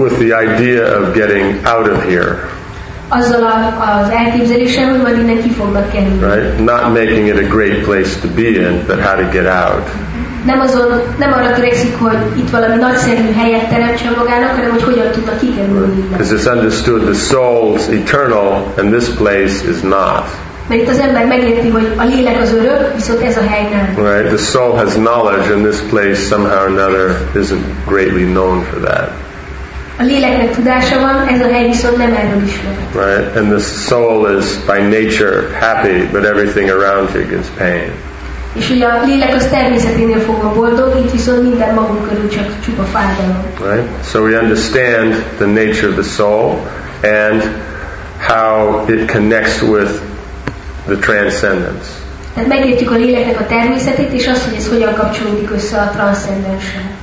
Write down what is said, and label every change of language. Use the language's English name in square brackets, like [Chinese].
[English] With the idea of getting out of here. [Hungarian] Azzal az elképzeléssel, hogy majd innen ki fognak kerülni. [English] Right? Not making it a great place to be in, but how to get out. [Hungarian] Nem arra törekszik, hogy itt valami nagyszerű helyet teremtsen magának, hanem hogy hogyan tudnak kikerülni innen. [English] Because it's understood the soul's eternal, and this place is not. [Hungarian] Mert itt az ember megérti, hogy a lélek az örök, viszont ez a hely nem. [English] Right? The soul has knowledge, and this place somehow or another isn't greatly known for that. [Hungarian] A léleknek tudása van, ez a hely viszont nem erről ismeret. [English] Right, and the soul is by nature happy, but everything around you gives pain. [Hungarian] És ugye a lélek az természeténél fogva boldog, itt viszont minden magunk körül csak csupa fájdalom. [English] Right? So we understand the nature of the soul and how it connects with the transcendence. [Hungarian] Tehát megértjük a léleknek a természetét, és azt, hogy ez hogyan kapcsolódik össze a transzcendenssel.